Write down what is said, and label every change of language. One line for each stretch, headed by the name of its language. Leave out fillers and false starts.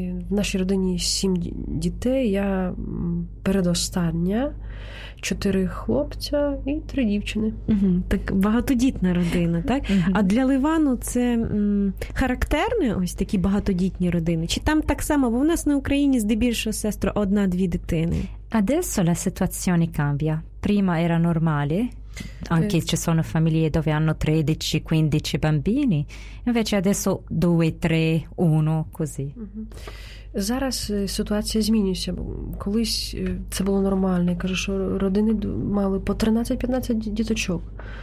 Ukrainian: В нашій родині 7 дітей, я передостання, 4 хлопці і 3 дівчини. Угу, так, багатодітна родина, так? А для Ливану це характерно, ось такі багатодітні родини? Чи там так само, бо в нас на Україні здебільшого, сестра, 1-2 дитини?
Italian: Adesso la situazione cambia. Prima era normale. Anche ci sono famiglie dove hanno 13-15 bambini, invece adesso 2-3-1 così.
Ukrainian: Зараз ситуація змінюється. Колись це було нормально, я кажу, що родини мали по 13-15 діточок.